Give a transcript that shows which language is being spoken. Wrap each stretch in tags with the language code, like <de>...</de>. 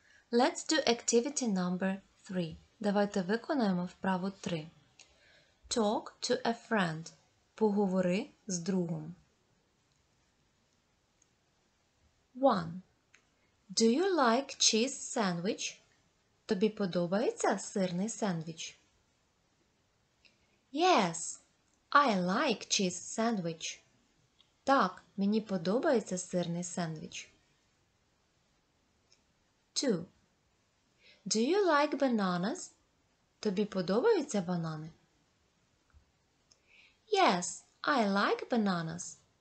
<en>Let's do activity number 3.</en> <uk>Давайте виконаємо вправу 3.</uk> <en>Talk to a friend.</en> <uk>Поговори з другом. 1.</uk> <en>Do you like cheese sandwich?</en> <uk>Тобі подобається сирний сендвіч?</uk> <en>Yes, I like cheese sandwich.</en> <uk>Так, мені подобається сирний сендвіч.</uk> <en>2. Do you like bananas?</en> <uk>Тобі подобаються банани?</uk> <en>Yes, I like bananas.</en>